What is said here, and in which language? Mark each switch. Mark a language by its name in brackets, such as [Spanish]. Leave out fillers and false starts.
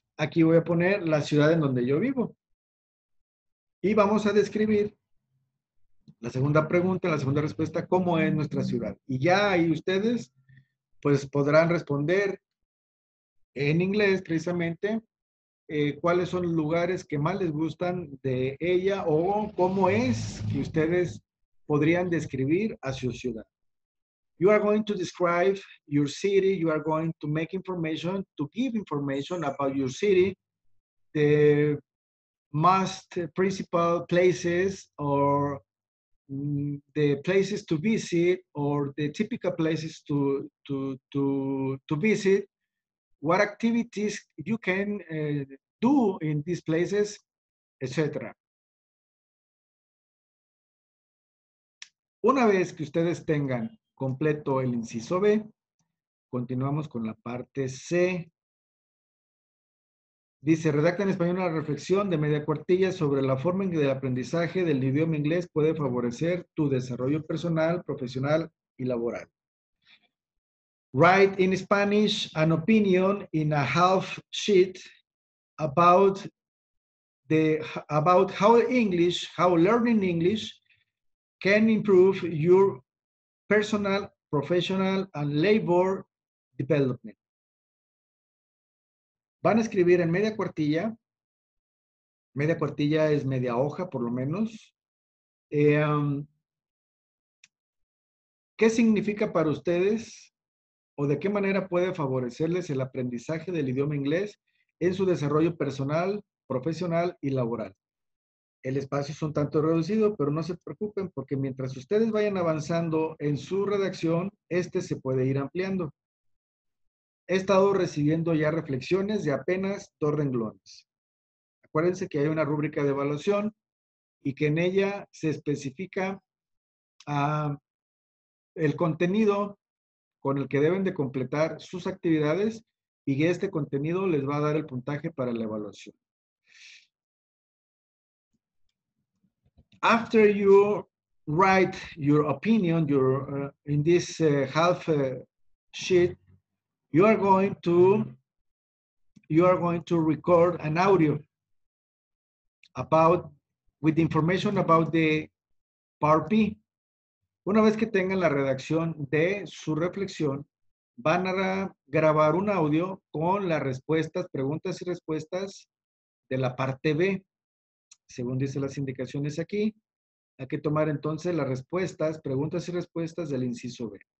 [Spanish] Aquí voy a poner la ciudad en donde yo vivo. Y vamos a describir la segunda pregunta, la segunda respuesta, ¿cómo es nuestra ciudad? Y ya ahí ustedes, pues, podrán responder en inglés, precisamente, cuáles son los lugares que más les gustan de ella o cómo es que ustedes podrían describir a su ciudad. [English] you are going to describe your city, you are going to make information, to give information about your city, the must principal places or the places to visit or the typical places to visit, what activities you can do in these places, etc. [Spanish] Una vez que ustedes tengan completo el inciso B, continuamos con la parte C. Dice, redacta en español una reflexión de media cuartilla sobre la forma en que el aprendizaje del idioma inglés puede favorecer tu desarrollo personal, profesional y laboral. [English] Write in Spanish an opinion in a half sheet about how English, how learning English can improve your personal, professional, and labor development. [Spanish] Van a escribir en media cuartilla. Media cuartilla es media hoja, por lo menos. ¿Qué significa para ustedes o de qué manera puede favorecerles el aprendizaje del idioma inglés en su desarrollo personal, profesional y laboral? El espacio es un tanto reducido, pero no se preocupen porque mientras ustedes vayan avanzando en su redacción, este se puede ir ampliando. He estado recibiendo ya reflexiones de apenas 2 renglones. Acuérdense que hay una rúbrica de evaluación y que en ella se especifica el contenido con el que deben de completar sus actividades y que este contenido les va a dar el puntaje para la evaluación. [English] After you write your opinion, in this half sheet, you are going to record an audio with information about the part B. [Spanish] Una vez que tengan la redacción de su reflexión, van a grabar un audio con las respuestas, preguntas y respuestas de la parte B. Según dice las indicaciones aquí, hay que tomar entonces las respuestas, preguntas y respuestas del inciso B.